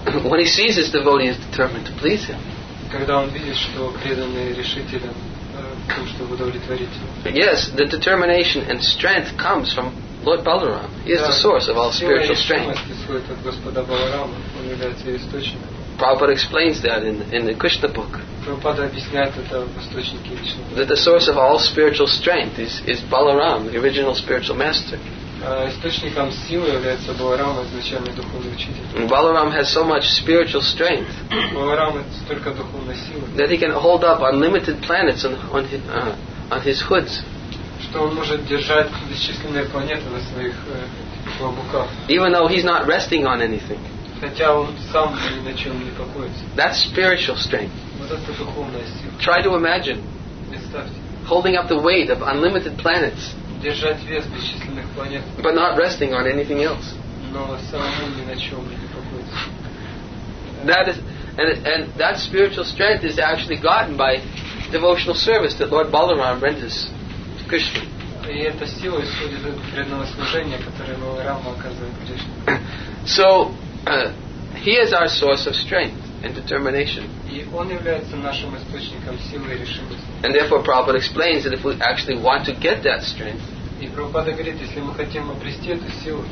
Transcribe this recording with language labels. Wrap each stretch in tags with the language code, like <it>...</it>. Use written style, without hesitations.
<en>When he sees his devotee is determined to please him.</en> <ru>Когда он видит, что преданный решителен, тем, чтобы удовлетворить его.</ru> <en>Yes, the determination and strength comes from Lord Balaram. He is the source of all spiritual strength.</en> <ru>Сила и решимость исходит от Господа Баларама. Он является источником.</ru> <en>Prabhupada explains that in the Krishna book.</en> <ru>Prabhupada объясняет это в источнике Кришны.</ru> <en>That the source of all spiritual strength is Balaram, the original spiritual master.</en> <ru>Источником силы является Баларама, изначальный духовный учитель.</ru> <en>Баларам has so much spiritual strength.</en> <ru>Баларам это столько духовной силы.</ru> <en>That he can hold up unlimited planets on his hoods.</en> <ru>Что он может держать бесчисленные планеты на своих клобуках.</ru> <en>Even though he's not resting on anything.</en> <ru>Хотя он сам ни на чем не покоится.</ru> <en>That's spiritual strength.</en> <ru>Вот это духовная сила.</ru> <en>Try to imagine.</en> <ru>Представьте.</ru> <en>Holding up the weight of unlimited planets.</en> <ru>Держать вес бесчисленных планет.</ru> <en>But not resting on anything else.</en> <ru>Но самому ни на чем не покоится.</ru> <en>That is, and that spiritual strength is actually gotten by devotional service that Lord Balaram renders to Krishna.</en> <ru>И эта сила исходит от преданного служения, которое Баларама оказывает Кришне.</ru> <en>So, he is our source of strength. and determination.</en> <ru>И он является нашим источником силы и решимости.</ru> <en>And therefore Prabhupada explains that if we actually want to get that strength,</en> <ru>и Прабхупада говорит, если мы хотим обрести эту силу,</ru>